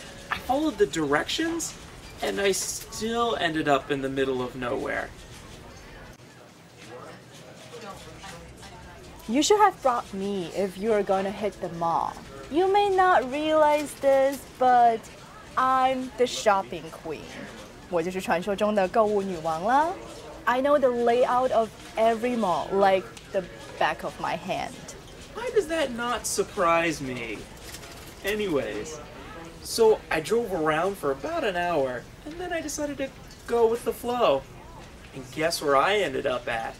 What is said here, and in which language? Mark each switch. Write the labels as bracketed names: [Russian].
[English] I followed the directions, and I still ended up in the middle of nowhere. You should have brought me if you were going to hit the mall. You may not realize this, but I'm the shopping queen. [Chinese] 我就是传说中的购物女王了。 [English] I know the layout of every mall like the back of my hand. Why does that not surprise me? Anyways, so I drove around for about an hour, and then I decided to go with the flow. And guess where I ended up at?